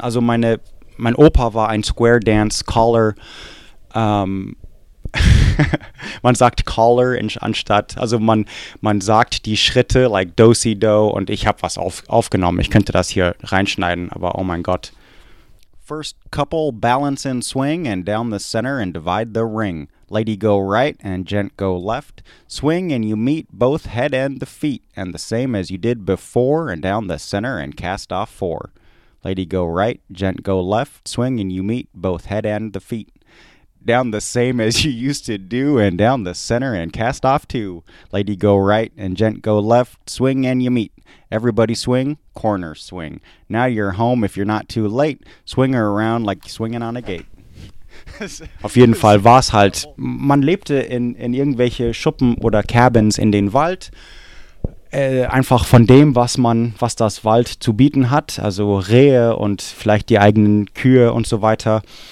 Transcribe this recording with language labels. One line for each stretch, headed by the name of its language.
German: Also mein Opa war ein Square Dance Caller. Man sagt Caller anstatt, also man sagt die Schritte, like Do-Si-Do, und ich habe was aufgenommen. Ich könnte das hier reinschneiden, aber oh mein Gott.
English: First couple balance and swing and down the center and divide the ring. Lady go right and gent go left. Swing and you meet both head and the feet and the same as you did before and down the center and cast off four. Lady go right, gent go left. Swing and you meet both head and the feet. Down the same as you used to do, and down the center and cast off two. Lady go right and gent go left, swing and you meet. Everybody swing, corner swing. Now you're home if you're not too late. Swing her around like swinging on a gate.
German: Auf jeden Fall war es halt, man lebte in irgendwelche Schuppen oder Cabins in den Wald. Einfach von dem, was das Wald zu bieten hat, also Rehe und vielleicht die eigenen Kühe und so weiter.